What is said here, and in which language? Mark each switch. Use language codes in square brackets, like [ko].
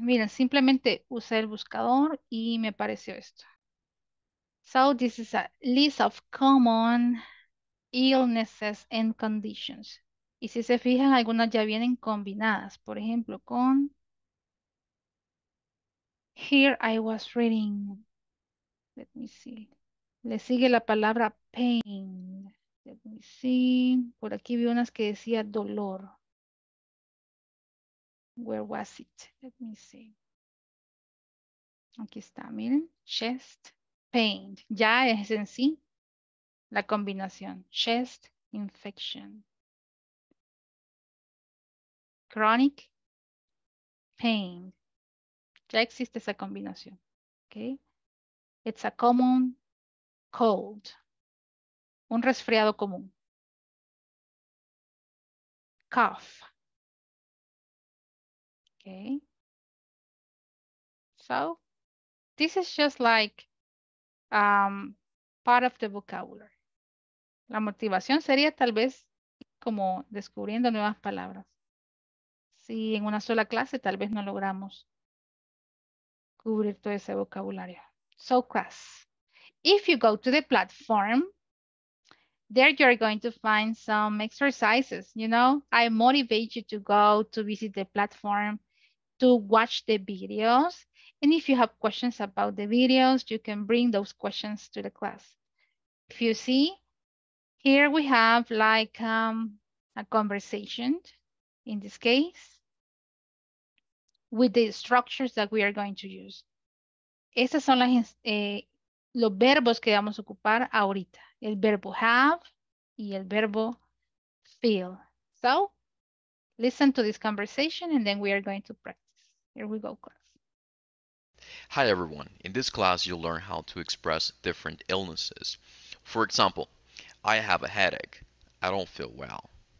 [es] Miren, simplemente usé el buscador y me apareció esto. [en] So, this is a list of common illnesses and conditions. [es] Y si se fijan, algunas ya vienen combinadas. Por ejemplo, con... [en] Here I was reading. Let me see. [es] Le sigue la palabra pain. [en] Let me see. [es] Por aquí vi unas que decía dolor. [en] Where was it? Let me see. [es] Aquí está, miren. [en] Chest pain. [es] Ya es en sí la combinación. [en] Chest infection. Chronic pain. [es] Ya existe esa combinación. Okay. [en] It's a common cold. [es] Un resfriado común. [en] Cough. Okay, so this is just like part of the vocabulary. [es] La motivación sería tal vez como descubriendo nuevas palabras. Si en una sola clase tal vez no logramos cubrir todo ese vocabulario. [en] So class, if you go to the platform, there you're going to find some exercises, you know. I motivate you to go to visit the platform, to watch the videos. And if you have questions about the videos, you can bring those questions to the class. If you see, here we have like a conversation, in this case, with the structures that we are going to use. [es] Esas son las, los verbos que vamos a ocupar ahorita. El verbo have y el verbo feel. [en] So, listen to this conversation and then we are going to practice. Here we go, class. Hi, everyone. In this class, you'll learn how to express different illnesses. For example, I have a headache. I don't feel well.